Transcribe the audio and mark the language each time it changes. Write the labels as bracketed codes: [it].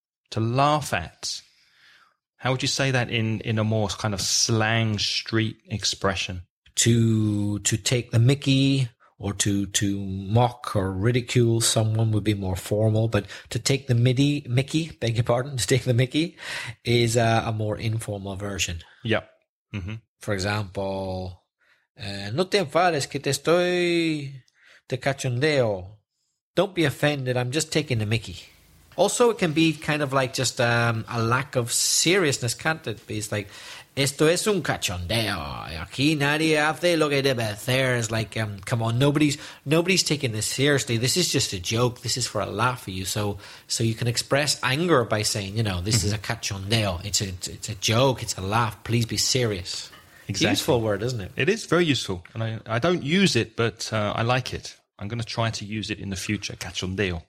[en] to laugh at. How would you say that in a more kind of slang street expression? To take the mickey, or to mock or ridicule someone would be more formal. But to take the mickey, beg your pardon, to take the mickey is a more informal version. Yep. Mm-hmm. For example, [es] no te enfades que te estoy de cachondeo. [en] Don't be offended, I'm just taking the mickey. Also, it can be kind of like just a lack of seriousness, can't it? It's like, [es] esto es un cachondeo. Aquí nadie hace lo que debe hacer. [en] It's like, come on, nobody's taking this seriously. This is just a joke. This is for a laugh for you. So you can express anger by saying, you know, this is a cachondeo. It's a joke. It's a laugh. Please be serious. Exactly. It's a useful word, isn't it? It is very useful. And I don't use it, but I like it. I'm going to try to use it in the future, cachondeo.